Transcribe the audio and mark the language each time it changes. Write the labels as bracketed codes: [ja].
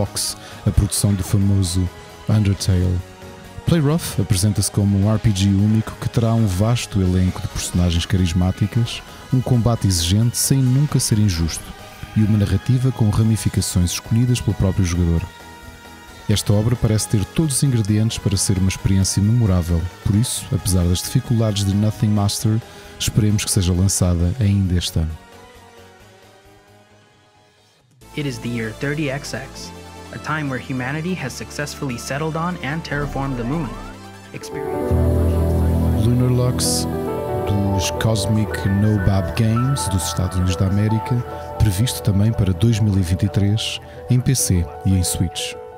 [pt] Fox, a produção do famoso Undertale. Play Rough apresenta-se como um RPG único que terá um vasto elenco de personagens carismáticas, um combate exigente sem nunca ser injusto, e uma narrativa com ramificações escolhidas pelo próprio jogador. Esta obra parece ter todos os ingredientes para ser uma experiência memorável, por isso, apesar das dificuldades de Nothing Master, esperemos que seja lançada ainda este ano. [en] It is the year 30XX, a time where humanity has successfully settled on and terraformed the moon. Experience. [pt] Lunar Lux, dos Cosmic Nobab Games, dos Estados Unidos da América, previsto também para 2023, em PC e em Switch.